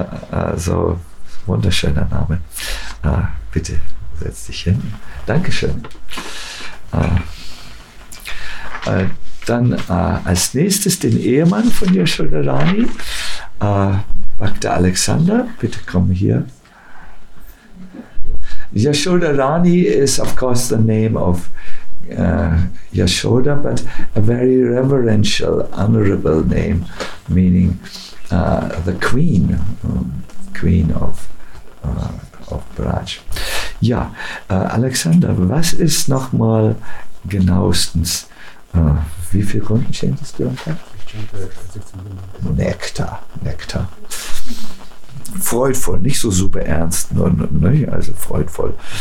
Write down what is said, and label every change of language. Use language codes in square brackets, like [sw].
[de] Also wunderschöner Name. Bitte setz dich hin. Dankeschön. Dann als nächstes den Ehemann von Yashoda Rani, Bhakta Alexander. Bitte komm hier. [en] Yashoda Rani is of course the name of Yashoda, but a very reverential, honorable name, meaning the queen, queen of Braj. [de] Ja, Alexander, was ist nochmal genauestens, wie viele Runden chantest du heute? Ich chante 16 Runden. Nektar. Freudvoll, nicht so super ernst, ne? Also freudvoll.